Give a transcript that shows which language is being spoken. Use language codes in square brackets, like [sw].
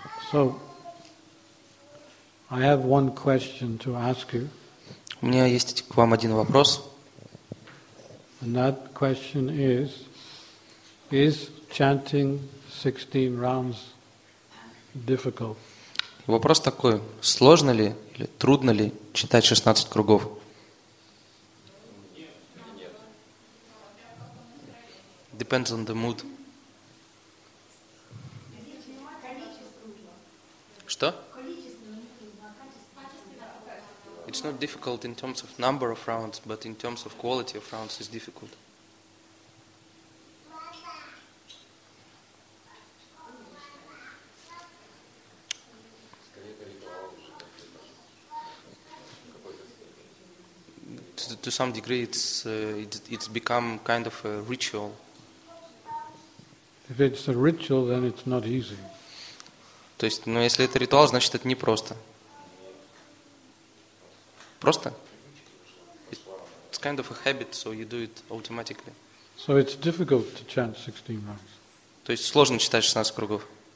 [en] So, I have one question to ask you. [ru] У меня есть к вам один вопрос. [en] And that question is chanting 16 rounds difficult? [ru] Вопрос такой: сложно ли или трудно ли читать 16 кругов? Нет. [en] Depends on the mood. [ru] Что? [en] It's not difficult in terms of number of rounds, but in terms of quality of rounds is difficult. To some degree, it's become kind of a ritual. If it's a ritual, then it's not easy. [ru] То есть, ну, если это ритуал, значит, это не просто. Просто? [en] It's kind of a habit, so you do it automatically. So it's difficult to chant 16 rounds. [ru] То есть, сложно читать 16 кругов.